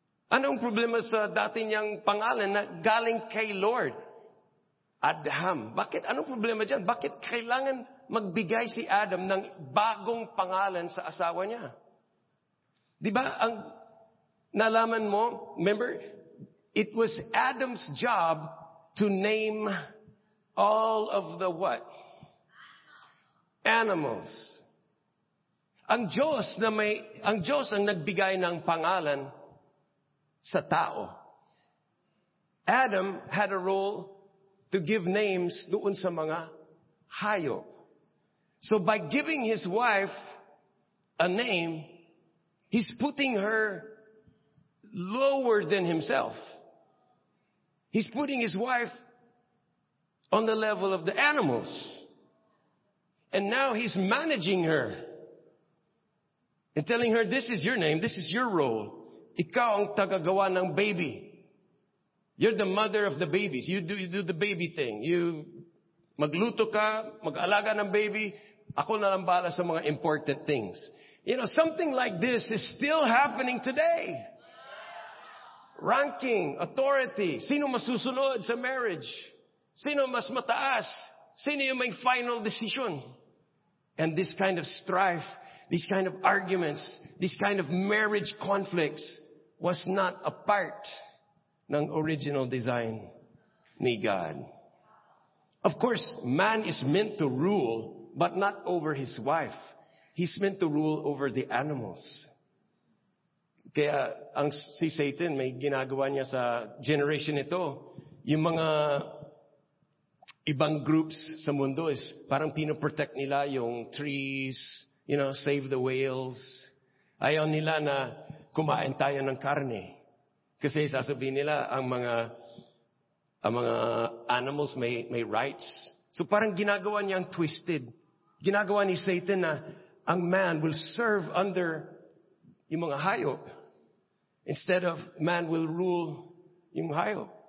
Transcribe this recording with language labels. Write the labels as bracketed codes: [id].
[tl] Anong problema sa dati niyang pangalan na galing kay Lord? Adam. Bakit? Anong problema dyan? Bakit kailangan magbigay si Adam ng bagong pangalan sa asawa niya? Diba ang nalaman mo, [en] remember, it was Adam's job to name all of the what? Animals. [tl] Ang Diyos na may, ang Diyos ang nagbigay ng pangalan sa tao. [en] Adam had a role to give names [tl] doon sa mga hayop. [en] So by giving his wife a name, he's putting her lower than himself. He's putting his wife on the level of the animals. And now he's managing her and telling her, this is your name, this is your role. [tl] Ikaw ang tagagawa ng baby. [en] You're the mother of the babies. You do the baby thing. [tl] You magluto ka, mag-alaga ng baby. Ako na lang bahala sa mga important things. [en] You know, something like this is still happening today. Ranking, authority. [tl] Sino masusunod sa marriage? Sino mas mataas? Sino yung may final decision? [en] And this kind of strife, these kind of arguments, these kind of marriage conflicts was not a part ng original design ni God. Of course, man is meant to rule, but not over his wife. He's meant to rule over the animals. [tl] Kaya ang si Satan, may ginagawa niya sa generation ito. Yung mga ibang groups sa mundo is parang pinoprotect nila yung trees, [en] you know, save the whales. [tl] Ayaw nila na kumain tayo ng karne. Kasi sasabihin nila, ang mga animals may rights. So parang ginagawa niyang twisted. Ginagawa ni Satan na ang [en] man will serve under [tl] yung mga hayop. [en] Instead of man will rule [tl] yung hayop.